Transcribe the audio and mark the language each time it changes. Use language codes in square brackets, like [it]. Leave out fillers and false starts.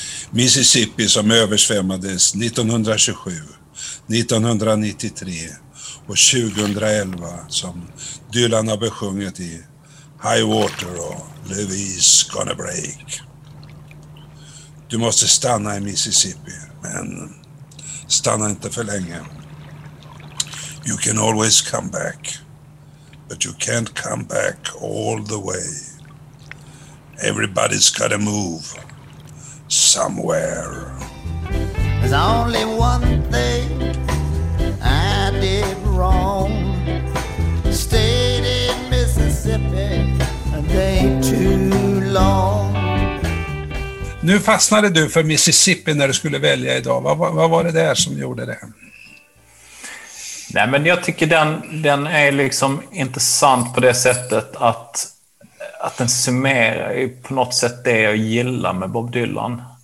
[sv] Mississippi som översvämmades 1927, 1993 och 2011 som Dylan har besjungit i High Water och Louise Gonna Break. Du måste stanna i Mississippi, men stanna inte för länge. [en] You can always come back, but you can't come back all the way. Everybody's gotta move somewhere. There's only one thing I did wrong. Stayed in Mississippi a day too long. [sv] Nu fastnade du för Mississippi när du skulle välja idag. Vad var det där som gjorde det? Nej, men jag tycker den är liksom intressant på det sättet att den summerar på något sätt det jag gillar med Bob Dylan.